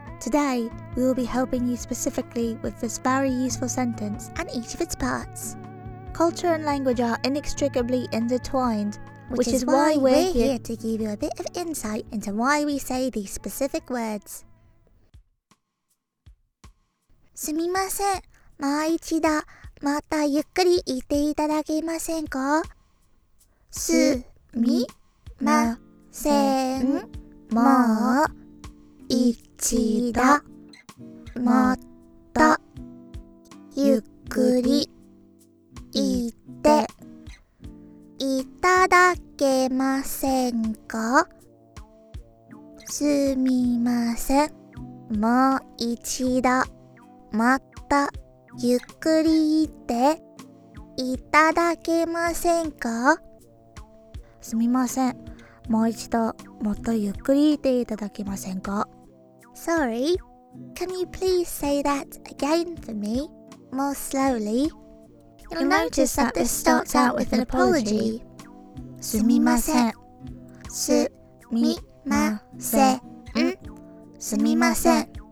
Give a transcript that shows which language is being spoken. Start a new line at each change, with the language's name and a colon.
English: Today, we will be helping you specifically with this very useful sentence and each of its parts. Culture and language are inextricably intertwined, which is why we're here to give you a bit of insight into why we say these specific words.
Japanese: すみません、もう一度。またゆっくり言っていただけませんか? すみませんもう一度またゆっくり言っていただけませんか? すみませんもう一度またゆっくり言っていただけませんか? すみません。もう一度、もっとゆっくり言っていただけませんか?
English: Sorry. Can you please say that again for me? More slowly. You'll notice that this starts out with an apology.
Japanese: すみません。すみません。 すみません。